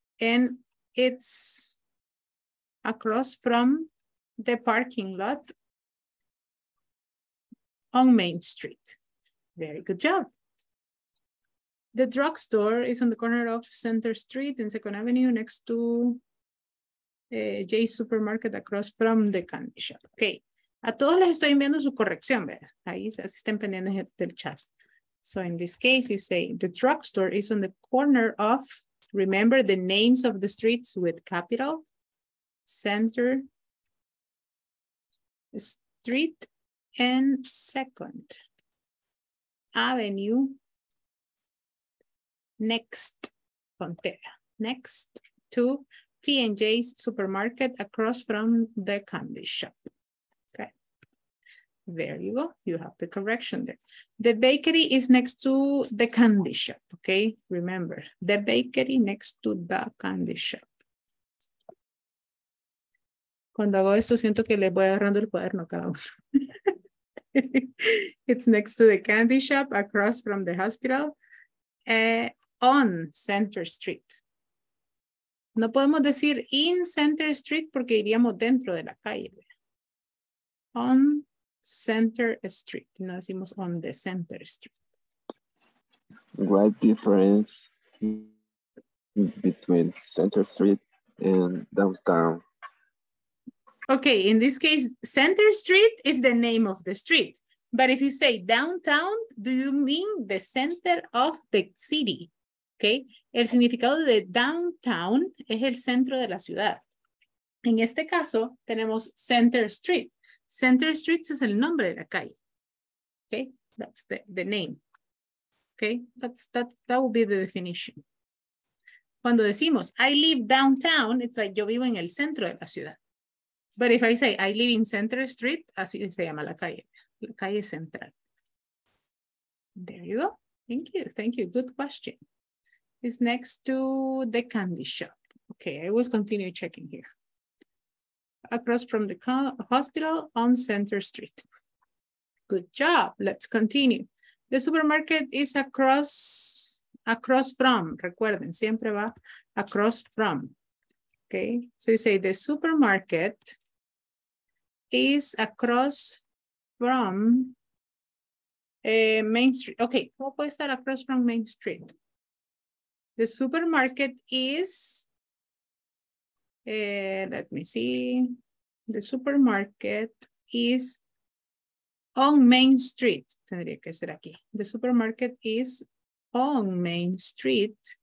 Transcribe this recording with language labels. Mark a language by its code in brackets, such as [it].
[en] And it's across from the parking lot on Main Street. Very good job. The drugstore is on the corner of Center Street and Second Avenue next to J Supermarket across from the candy shop. Okay. [es] A todos les estoy enviando su corrección, ¿ves? Ahí se estén pendientes del chat. [en] So in this case, you say, the drugstore is on the corner of, remember the names of the streets with capital, Center Street and Second Avenue, next, Frontera, next to P&J's supermarket across from the candy shop. There you go, you have the correction there. The bakery is next to the candy shop, okay? Remember, the bakery next to the candy shop. [es] Cuando hago esto, siento que les voy agarrando el cuaderno cada uno. [en] It's next to the candy shop, across from the hospital, on Center Street. [es] No podemos decir in Center Street porque iríamos dentro de la calle. On Center Street. No decimos on the Center Street. [en] What difference between Center Street and downtown? Okay, in this case, Center Street is the name of the street. But if you say downtown, do you mean the center of the city? [es] Okay, el significado de downtown es el centro de la ciudad. En este caso, tenemos Center Street. Center Street es el nombre de la calle. [en] Okay, that's the name. Okay, that would be the definition. [es] Cuando decimos, [en] I live downtown, it's like [es] yo vivo en el centro de la ciudad. [en] But if I say, I live in Center Street, [es] así se llama la calle central. [en] There you go. Thank you. Thank you. Good question. It's next to the candy shop. Okay, I will continue checking here. Across from the hospital on Center Street. Good job. Let's continue. The supermarket is across from. [es] Recuerden, siempre va across from. [en] Okay, so you say the supermarket is across from Main Street. [es] Okay, ¿cómo puede estar across from Main Street? [en] The supermarket is, let me see, the supermarket is on Main Street. [es] Tendría que ser aquí. [en] The supermarket is on Main Street.